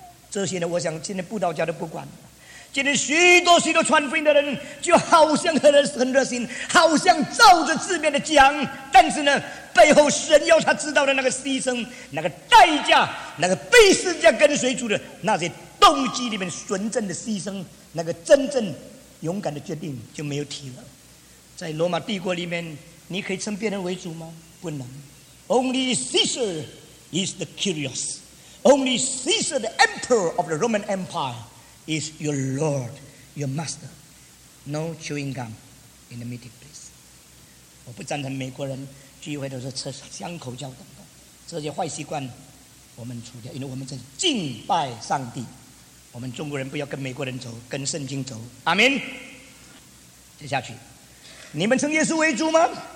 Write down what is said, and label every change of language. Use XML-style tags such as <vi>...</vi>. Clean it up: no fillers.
<zh>这些呢，我想今天布道家都不管。今天许多许多传福音的人，就好像很热心，好像照着字面的讲，但是呢，背后神要他知道的那个牺牲、那个代价、那个被世界跟随主的那些动机里面纯正的牺牲，那个真正勇敢的决定就没有提了。在罗马帝国里面，你可以称别人为主吗？不能。</zh> <en>Only Caesar is the curious. Only Caesar, the emperor of the Roman Empire, is your lord, your master. No chewing gum in the meeting place.</en> <zh>我不赞成美国人聚会都是吃香口胶等等，这些坏习惯我们除掉，因为我们在敬拜上帝。我们中国人不要跟美国人走，跟圣经走。阿门。接下去，你们称耶稣为主吗？</zh>